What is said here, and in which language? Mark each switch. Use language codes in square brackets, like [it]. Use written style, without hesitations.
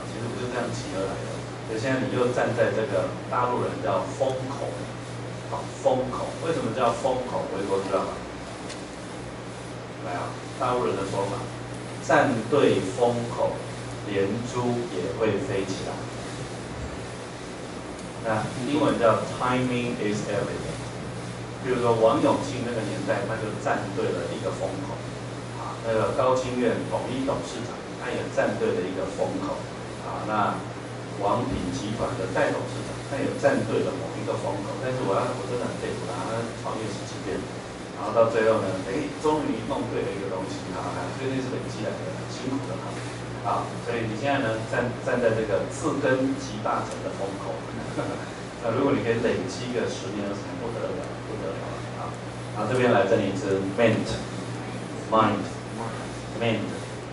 [zh] 其实不就这样集而来的？所以现在你又站在这个大陆人叫风口，好，风口为什么叫风口？回国知道吗？来啊，大陆人的说法，站对风口，连珠也会飞起来。那英文叫 [en] timing is everything。 [zh] 比如说王永庆那个年代，他就站对了一个风口。啊，那个高清院统一董事长，他也站对了一个风口。啊，那。王品集团的戴董事长，他也站对了某一个风口，但是我真的很佩服他，他创业十几遍，然后到最后呢，终于弄对了一个东西，哈，所以那是累积来的，很辛苦的哈，啊，所以你现在呢，站在这个自根集大成的风口，那如果你可以累积个十年二十年，不得了，啊，然后这边来这里是 meant。